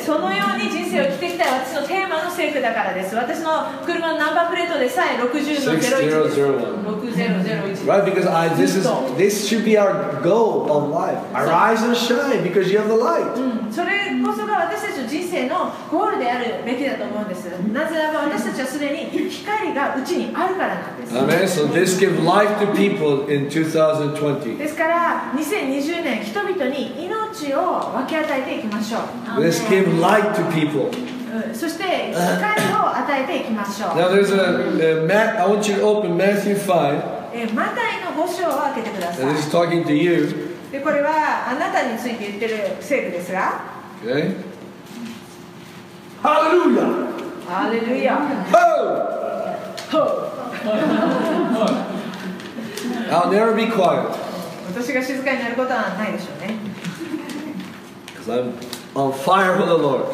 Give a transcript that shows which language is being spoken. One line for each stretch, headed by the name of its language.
Japanese: そのように人生を生きてきた私のテーマのセーフだからです。私の車のナンバープレートでさえ60-01
English: Right, because this should be our goal of life. Arise and shine because you have the light.
Japanese: それこそが私たちの人生のゴールであるべきだと思うんです。なぜなら私たちはすでに光がうちにあるからなんです。
English: Amen. So this gives life to people in 2020.
Japanese: ですから2020年人々に命を分け与えていきましょう。
English: This gives light to people.
Japanese: そして光を与えていきましょう。
English: Now there's I want you to open Matthew 5.
Japanese: マタイの5章を開けてください。
English: And this is talking to you.
Japanese: でこれはあなたについて言ってる聖句ですが。
English: Okay. Hallelujah. Hallelujah. Ho. Ho. I'll never be quiet.
Japanese: 私が静かになることはないでしょうね。
English: Because I'm on fire for the Lord.